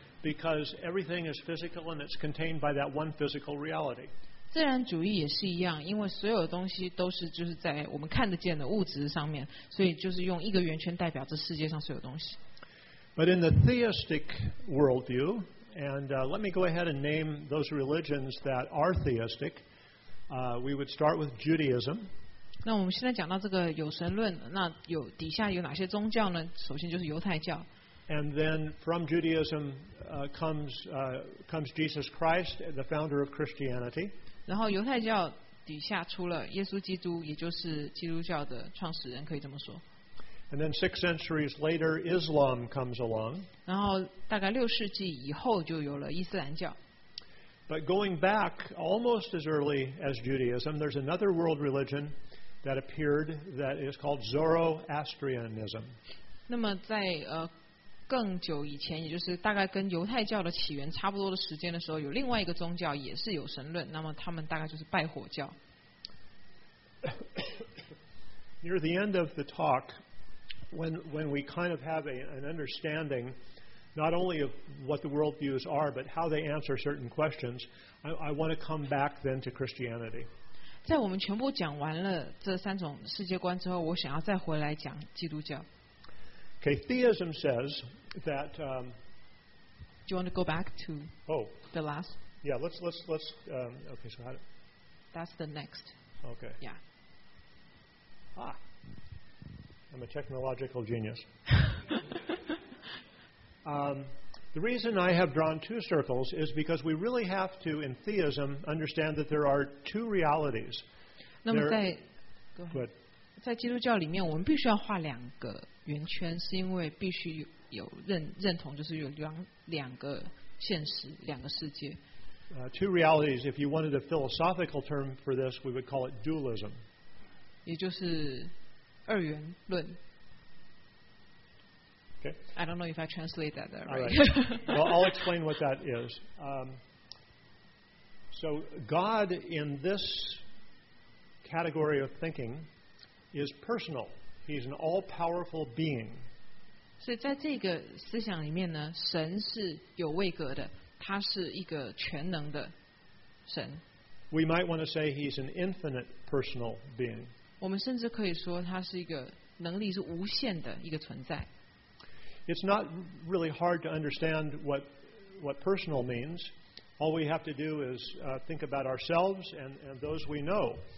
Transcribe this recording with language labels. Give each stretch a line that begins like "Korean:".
English: Because everything is physical and it's contained by that one physical reality.
Chinese: 自然主义也是一样，因为所有的东西都是就是在我们看得见的物质上面，所以就是用一个圆圈代表这世界上所有东西。
English: But in the theistic worldview, And let me go ahead and name those religions that are theistic. We would start with Judaism.
Chinese: 那我们现在讲到这个有神论，那有底下有哪些宗教呢？首先就是犹太教。
English: And then from Judaism comes Jesus Christ, the founder of Christianity.
Chinese: 然后犹太教底下出了耶稣基督，也就是基督教的创始人，可以这么说。
English: And then 6 centuries later, Islam comes along.
Chinese: 然后大概六世纪以后就有了伊斯兰教。
English: But going back almost as early as Judaism, there's another world religion that appeared that is called Zoroastrianism.
Chinese: 那么在更久以前，也就是大概跟犹太教的起源差不多的时间的时候，有另外一个宗教也是有神论，那么他们大概就是拜火教。
English: Near the end of the talk, when we kind of have an understanding not only of what the worldviews are, but how they answer certain questions, I want to come back then to Christianity.
Chinese: 在我们全部讲完了这三种世界观之后，我想要再回来讲基督教。
English: Okay, theism says that. Do you want to go back to? Oh, the last. Yeah, let's. Okay, so how? That's the next. Okay. Yeah. Ah, I'm a technological genius. The reason I have drawn two circles is because we really have to, in theism, understand that there are two realities.
Chinese: 那么在
English: go ahead.
Chinese: 在基督教里面，我们必须要画两个圆圈，是因为必须有认同，就是有两个现实，两个世界。
English: Two realities. If you wanted a philosophical term for this, we would call it dualism.
Chinese: 也就是二元论。
English: Okay. I don't know if I translate that there, right? All right. Well, I'll explain what that is. So God in this category of thinking is personal. He's an all-powerful being.
Chinese: 所以在这个思想里面呢，神是有位格的，他是一个全能的神。
English: We might want to say he's an infinite personal being.
Chinese: 我们甚至可以说他是一个能力是无限的一个存在。
English: It's not really hard to understand what personal means. All we have to do is think about ourselves and those we know.